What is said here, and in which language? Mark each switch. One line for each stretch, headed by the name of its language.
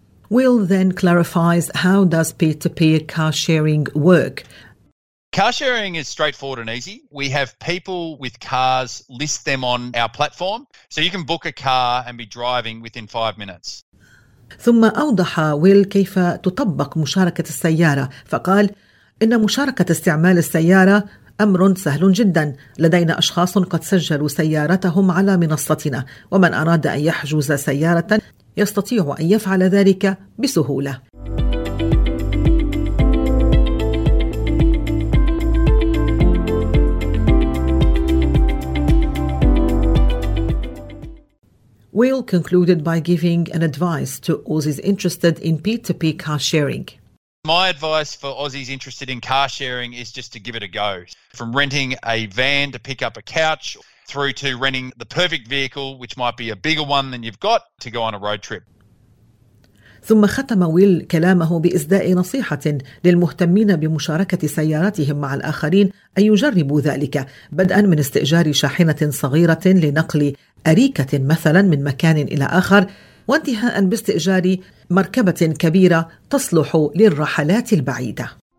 English: Will then clarifies how does peer-to-peer car sharing work. Car sharing is straightforward and easy. We have people with cars list them on our platform, so you can book a car and be driving within 5 minutes.
Arabic: ثم أوضح ويل كيف تطبق مشاركة السيارة فقال إن مشاركة استعمال السيارة أمر سهل جدا، لدينا أشخاص قد سجلوا سيارتهم على منصتنا، ومن أراد أن يحجز سيارة يستطيع أن يفعل ذلك بسهولة.
English: Will concluded by giving an advice to Aussies interested in P2P car sharing. My advice for Aussies interested in car sharing is just to give it a go. From renting a van to pick up a couch through to renting the perfect vehicle, which might be a bigger one than you've got, to go on a road trip.
Arabic: ثم ختم ويل كلامه بإزداء نصيحة للمهتمين بمشاركة سياراتهم مع الآخرين أن يجربوا ذلك، بدءا من استئجار شاحنة صغيرة لنقل أريكة مثلا من مكان إلى آخر، وانتهاء باستئجار مركبة كبيرة تصلح للرحلات البعيدة.